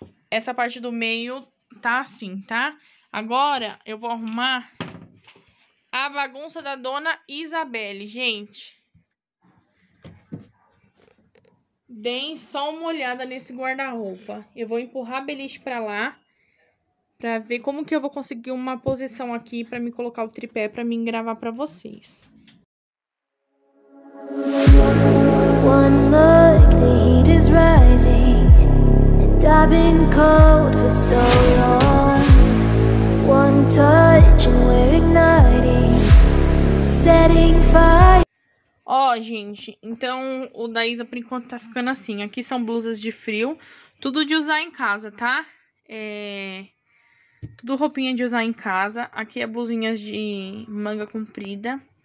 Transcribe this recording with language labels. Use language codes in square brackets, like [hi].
[pt] Essa parte do meio tá assim, tá? Agora eu vou arrumar a bagunça da dona Isabelle, gente. Deem só uma olhada nesse guarda-roupa. Eu vou empurrar a beliche pra lá. Pra ver como que eu vou conseguir uma posição aqui pra me colocar o tripé pra mim gravar pra vocês. [en] One look, the heat is rising. And I've been cold for so long. One touch and we're igniting. Setting fire. [pt] Ó, gente, então o da Isa por enquanto tá ficando assim. Aqui são blusas de frio, tudo de usar em casa, tá? Tudo roupinha de usar em casa. Aqui é blusinhas de manga comprida.